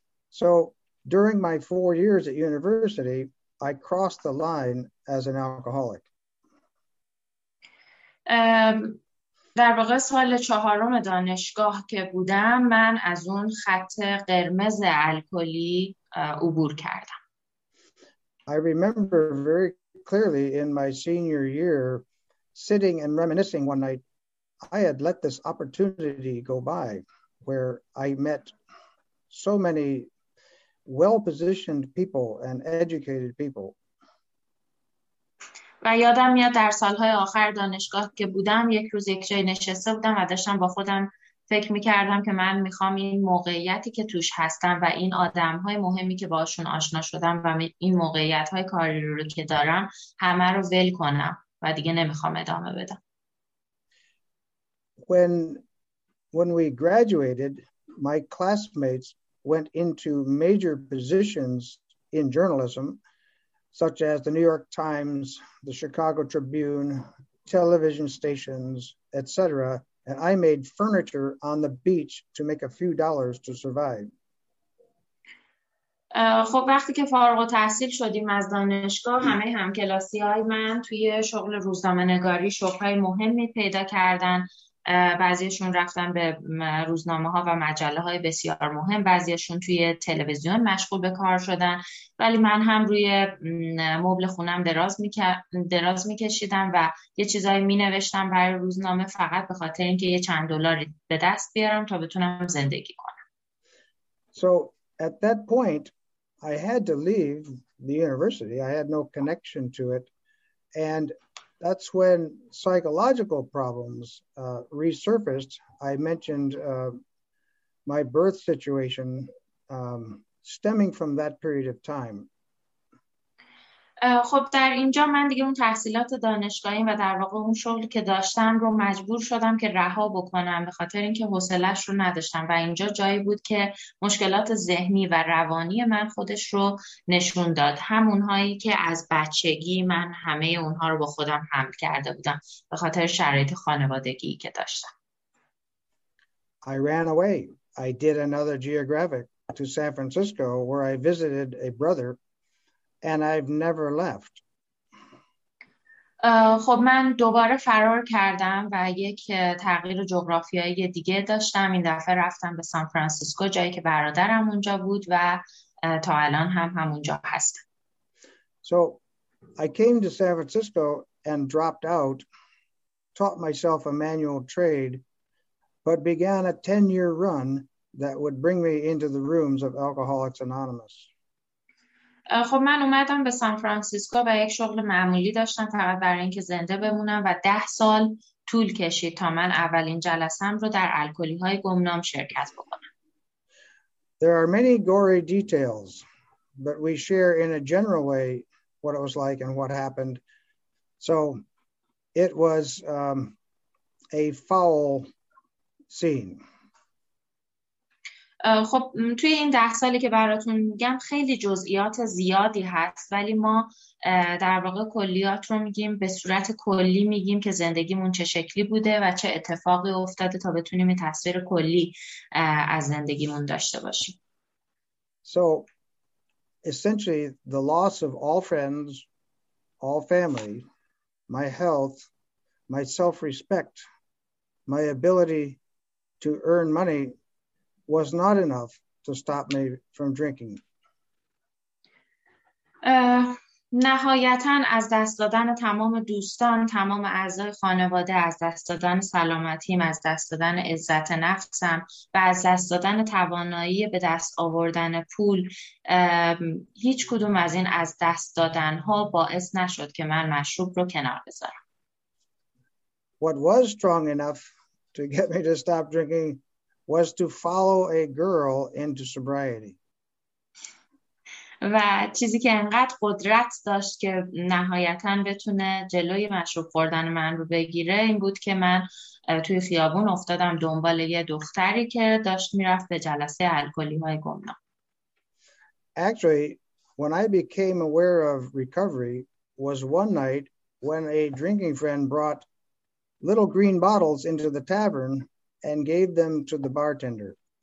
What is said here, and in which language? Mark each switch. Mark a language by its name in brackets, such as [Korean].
[English] So during my 4 years at university, I crossed the line as an alcoholic. [Persian] در واقع سال چهارم دانشگاه که بودم من از اون خط قرمز الکلی عبور کردم. [English] I remember very clearly in my senior year sitting and reminiscing one night, I had let this opportunity go by where I met so many well-positioned people and educated people. [Persian] و یادم میاد در سالهای آخر دانشگاه که بودم یک روز یک جای نشسته بودم و داشتم با خودم فکر میکردم که من میخوام این موقعیتی که توش هستم و این آدمهای مهمی که باشون آشنا شدم و این موقعیتهای کاری رو که دارم همه رو ول کنم و دیگه نمیخوام ادامه بدم. [English] When we graduated, my classmates went into major positions in journalism, such as the New York Times, the Chicago Tribune, television stations, etc. And I made furniture on the beach to make a few dollars to survive. [Persian] خب وقتی که فارغ التحصیل شدیم از دانشگاه همه همکلاسی‌های من توی شغل روزنامه‌نگاری شغل‌های مهمی پیدا کردن. بعضیشون رفتن به روزنامه ها و مجله های بسیار مهم، بعضیشون توی تلویزیون مشغول به کار شدن، ولی من هم روی مبل خونم دراز می کشیدم و یه چیزایی می نوشتم برای روزنامه فقط به خاطر اینکه یه چند دلاری به دست بیارم تا بتونم زندگی کنم. [English] So at that point I had to leave the university. I had no connection to it, and that's when psychological problems resurfaced. I mentioned my birth situation stemming from that period of time. [Persian] خب در اینجا من دیگه اون تحصیلات دانشگاهی و در واقع اون شغلی که داشتم رو مجبور شدم که رها بکنم به خاطر اینکه حوصله‌اش رو نداشتم و اینجا جایی بود که مشکلات ذهنی و روانی من خودش رو نشون داد، همونهایی که از بچگی من همه اونها رو با خودم حمل کرده بودم به خاطر شرایط خانوادگی که داشتم. [English] I ran away. I did another geographic to San Francisco where I visited a brother and I've never left. [Persian] خب من دوباره فرار کردم و یک تغییر جغرافیایی دیگه داشتم. این دفعه رفتم به سان فرانسیسکو جایی که برادرم اونجا بود و تا الان هم همونجا هستم. [English] So I came to San Francisco and dropped out, taught myself a manual trade, but began a 10-year run that would bring me into the rooms of Alcoholics Anonymous. [Persian] خب من اومدم به سان فرانسیسکو و یک شغل معمولی داشتم فقط برای اینکه زنده بمونم و 10 سال طول کشید تا من اولین جلسه‌ام رو در الکلی‌های گمنام شرکت بکنم. [English] There are many gory details, but we share in a general way what it was like and what happened. So it was a foul scene. [Persian] خب توی این 10 سالی که براتون میگم خیلی جزئیات زیادی هست، ولی ما در واقع کلیات رو میگیم، به صورت کلی میگیم که زندگیمون چه شکلی بوده و چه اتفاقی افتاده تا بتونیم تصویر کلی از زندگیمون داشته باشیم. [English] So essentially the loss of all friends, all family, my health, my self-respect, my ability to earn money was not enough to stop me from drinking. [Persian] نهایتاً از دست دادن تمام دوستان، تمام اعضای خانواده، از دست دادن سلامتیم، از دست دادن عزت نفسم و از دست دادن توانایی به دست آوردن پول، هیچ کدوم از این از دست دادن‌ها باعث نشد که من مشروب رو کنار بذارم. [English] What was strong enough to get me to stop drinking was to follow a girl into sobriety. [Persian] و چیزی که انقدر قدرت داشت که نهایتاً بتونه جلوی مشروب خوردن من رو بگیره این بود که من توی خیابون افتادم دنبال یه دختری که داشت میرفت به جلسه الکلی‌های گمنام. [English] Actually, when I became aware of recovery was one night when a drinking friend brought little green bottles into the tavern and gave them to the bartender.